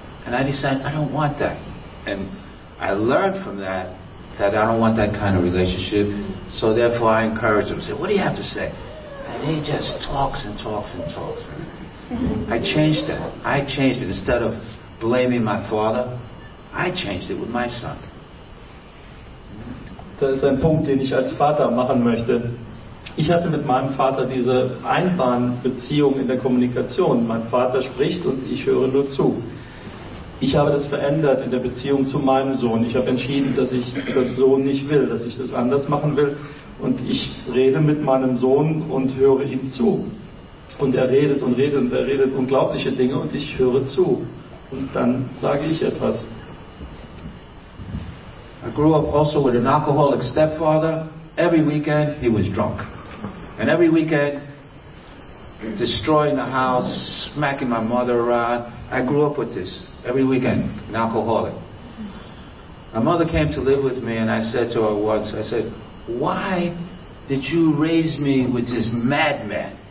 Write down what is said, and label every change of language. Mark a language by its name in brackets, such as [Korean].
[English] And I decided, I don't want that. And I learned from that, that I don't want that kind of relationship. So therefore, I encouraged him. I said, what do you have to say? And he just talks and talks and talks. I changed it. Instead of blaming my father, I changed it with my son. [German] Das ist ein Punkt, den ich als Vater machen möchte. Ich hatte mit meinem Vater diese Einbahnbeziehung in der Kommunikation. Mein Vater spricht und ich höre nur zu. Ich habe das verändert in der Beziehung zu meinem Sohn. Ich habe entschieden, dass ich das so nicht will, dass ich das anders machen will. Und ich rede mit meinem Sohn und höre ihm zu. Und er redet und redet und er redet unglaubliche Dinge und ich höre zu. Und dann sage ich etwas. [English] I grew up also with an alcoholic stepfather. Every weekend he was drunk. And every weekend destroying the house, smacking my mother around. I grew up with this. Every weekend, an alcoholic. My mother came to live with me and I said to her once, I said, why did you raise me with this madman?